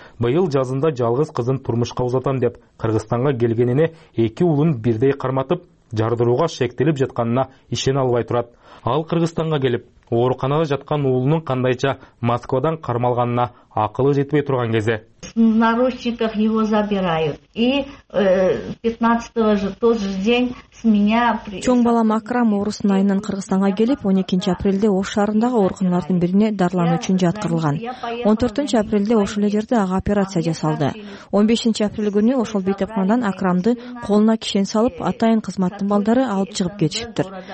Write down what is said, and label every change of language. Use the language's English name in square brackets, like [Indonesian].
[Kyrgyz] Быйыл жазында жалгыз кызын турмушка узатам деп Кыргызстанга келгенине эки уулун бирдей карматып жардырууга шектелип жатканына ишене албай турат. Ал Кыргызстанга келип, ооруканада жаткан уулунун кандайча Москвадан кармалганына акылы жетпей турган кези. [Russian] В наручниках его забирают. И 15-го же тот же день с меня [Kyrgyz] чоң балам Акрам орусун айынан Кыргызстанга келип, 12 апрелде Ош шаарындагы ооруканалардын бирине дарылануу үчүн жаткырылган. 14 апрелде ошол эле жерде ага операция жасалды. 15 апрель күнү ошол бейтапканадан Акрамды колуна кишен салып, атайын кызматтын балдары алып чыгып кетишиптир.